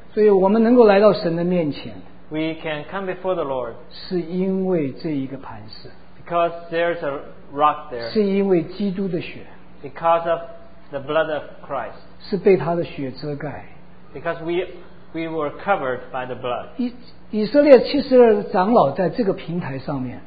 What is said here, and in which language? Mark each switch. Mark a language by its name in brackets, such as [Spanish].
[Chinese] 所以我们能够来到神的面前。 [English] We can come before the Lord. [Chinese] 是因为这一个磐石。 [English] Because there's a rock there. [Chinese] 是因为基督的血。 [English] Because of the blood of Christ. [Chinese] 是被他的血遮盖。 [English] Because we were covered by the blood. [Chinese] 以色列72长老在这个平台上面。